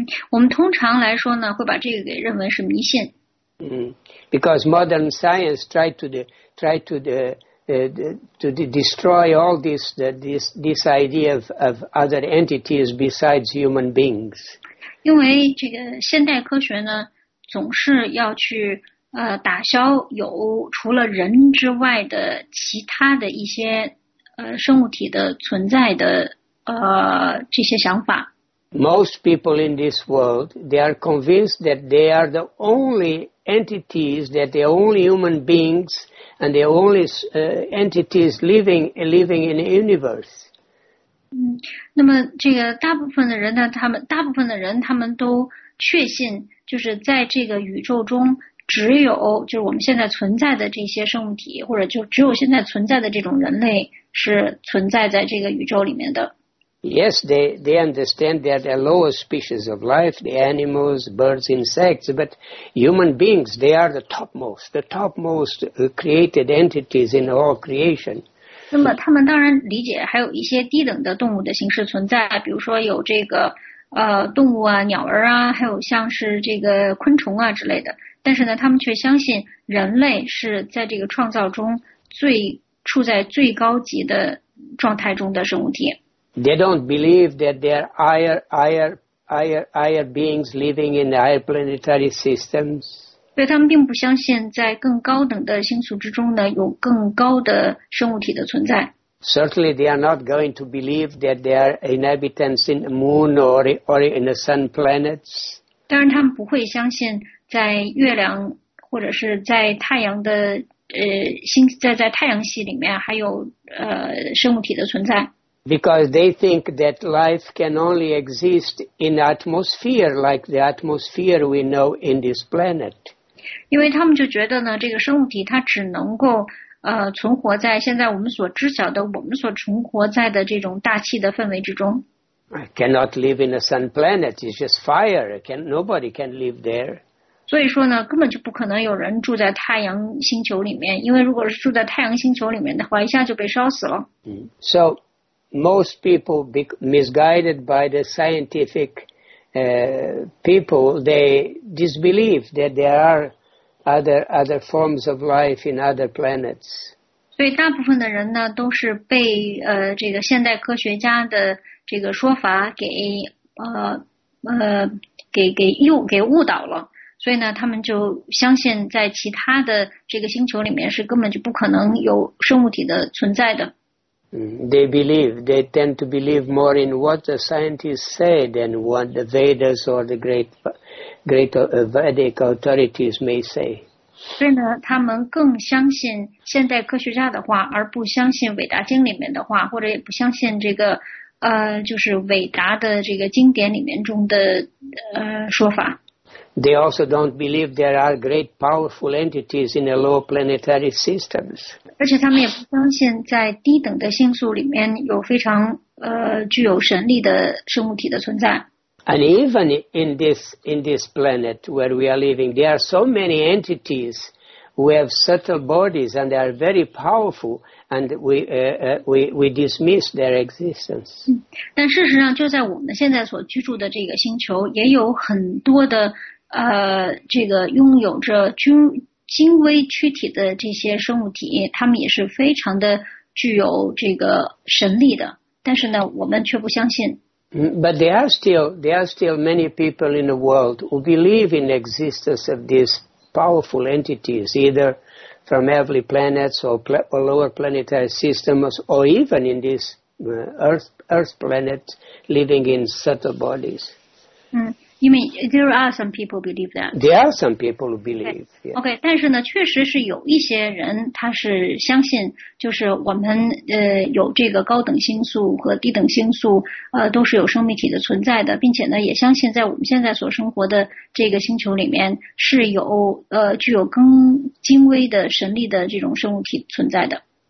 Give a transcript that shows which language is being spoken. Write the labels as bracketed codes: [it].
[zh] 我们通常来说呢，会把这个给认为是迷信。 [en] Because modern science tried to destroy all this idea of other entities besides human beings. [zh] 因为这个现代科学呢，总是要去打消有除了人之外的其他的一些生物体的存在的这些想法。 [en] Most people in this world, they are convinced that they are the only entities, that they are only human beings, and they are only entities living in the universe. [zh] 那么这个大部分的人呢，他们都确信，就是在这个宇宙中，只有就是我们现在存在的这些生物体，或者就只有现在存在的这种人类是存在在这个宇宙里面的。 [en] Yes, they understand that they are lower species of life, the animals, birds, insects, but human beings, they are the topmost created entities in all creation. [zh] 那么他们当然理解还有一些低等的动物的形式存在，比如说有这个动物啊，鸟儿啊，还有像是这个昆虫啊之类的。但是呢，他们却相信人类是在这个创造中最处在最高级的状态中的生物体。 [en] They don't believe that there are higher beings living in the higher planetary systems. [zh] 对，他们并不相信在更高等的星宿之中呢有更高的生物体的存在。 [en] Certainly, they are not going to believe that there are inhabitants in the moon or in the sun planets. [zh] 当然，他们不会相信在月亮或者是在太阳的星在太阳系里面还有生物体的存在。 [en] Because they think that life can only exist in atmosphere, like the atmosphere we know in this planet. [zh] 因为他们就觉得呢，这个生物体它只能够存活在现在我们所知晓的、我们所存活在的这种大气的氛围之中。 [en] I cannot live in a sun planet. It's just fire. Nobody can live there. [zh] 所以说呢，根本就不可能有人住在太阳星球里面，因为如果是住在太阳星球里面的话，一下就被烧死了。 [en] So most people, misguided by the scientific people, they disbelieve that there are other forms of life in other planets. [zh] 所以大部分的人呢，都是被这个现代科学家的这个说法给误导了，所以呢，他们就相信在其他的这个星球里面是根本就不可能有生物体的存在的。 [en] They tend to believe more in what the scientists say than what the Vedas or the great Vedic authorities may say. [zh] 所以呢，他们更相信现代科学家的话，而不相信伟大经里面的话，或者也不相信这个就是伟达的这个经典里面中的说法。 [en] They also don't believe there are great powerful entities in the lower planetary systems. [zh] 而且他们也不相信在低等的星宿里面有非常具有神力的生物体的存在。 [en] And even in this planet where we are living, there are so many entities who have subtle bodies and they are very powerful, and we dismiss their existence. [zh] 但事实上，就在我们现在所居住的这个星球，也有很多的这个拥有着精微躯体的这些生物体，他们也是非常的具有这个神力的。但是呢，我们却不相信。 [en] But there are still many people in the world who believe in the existence of these powerful entities, either from heavenly planets or lower planetary systems, or even in this Earth planet, living in subtle bodies. You mean there are some people believe that? There are some people who believe. Okay. [zh] Okay, 但是呢，确实是有一些人他是相信，就是我们有这个高等星宿和低等星宿，都是有生命体的存在的，并且呢，也相信在我们现在所生活的这个星球里面是有具有更精微的神力的这种生物体存在的。